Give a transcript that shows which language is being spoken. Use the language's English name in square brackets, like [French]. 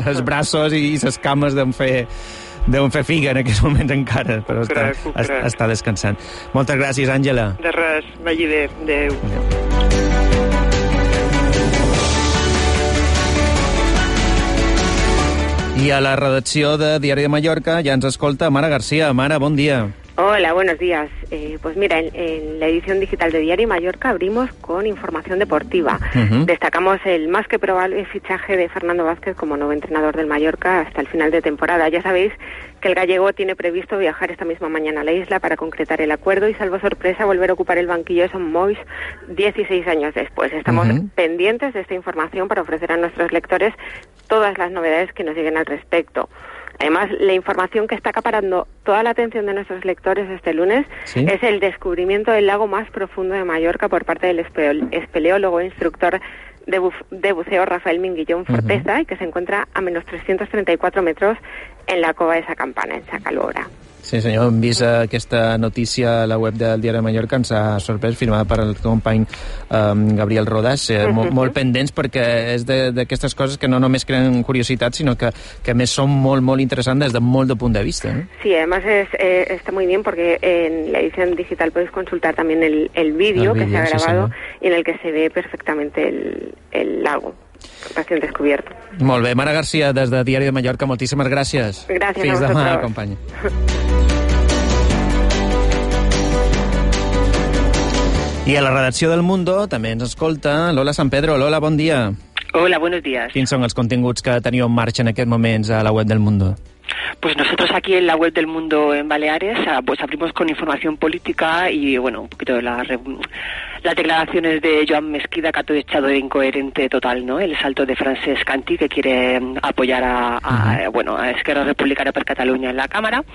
[Catalan] Els braços i les cames deuen fer figa en aquests moments encara, però està descansant. Moltes gràcies, Àngela. De res, vagi bé. Adéu. Adéu. I a la redacció de Diari de Mallorca ja ens escolta Mara García. Mara, bon dia. [Spanish] Hola, buenos días. Pues mira, en la edición digital de Diario Mallorca abrimos con información deportiva. Destacamos el más que probable fichaje de Fernando Vázquez como nuevo entrenador del Mallorca hasta el final de temporada. Ya sabéis que el gallego tiene previsto viajar esta misma mañana a la isla para concretar el acuerdo y, salvo sorpresa, volver a ocupar el banquillo de Son Mois 16 años después. Estamos pendientes de esta información para ofrecer a nuestros lectores todas las novedades que nos lleguen al respecto. Además, la información que está acaparando toda la atención de nuestros lectores este lunes es el descubrimiento del lago más profundo de Mallorca por parte del espeleólogo e instructor de buceo Rafael Minguillón Forteza, y que se encuentra a menos 334 metros en la cova de esa campana, en Sacalobra. [Catalan] Sí, senyor, hem vist aquesta notícia a la web del Diari de Mallorca, ens ha sorprès, firmada per el company Gabriel Rodas, molt pendents, perquè és d'aquestes coses que no només creen curiositat, sinó que a més són molt, molt interessants des de molt de punt de vista. [Spanish] Sí, además está muy bien, porque en la edición digital podéis consultar también el vídeo que se ha grabado, sí, y en el que se ve perfectamente el lago. [Catalan] Recient descobert. Molt bé, Mara García, des de Diari de Mallorca, moltíssimes gràcies. Gràcies. Fins demà, companya. I a la redacció del Mundo també ens escolta Lola San Pedro. Lola, bon dia. Hola, buenos días. Quins són els continguts que teniu en marxa en aquests moments a la web del Mundo? [Spanish] Pues nosotros aquí en la web del Mundo en Baleares pues abrimos con información política y bueno, un poquito de las declaraciones de Joan Mesquida, que ha todo echado de incoherente total, ¿no? El salto de Francesc Canti, que quiere apoyar a Esquerra Republicana per Catalunya en la Cámara.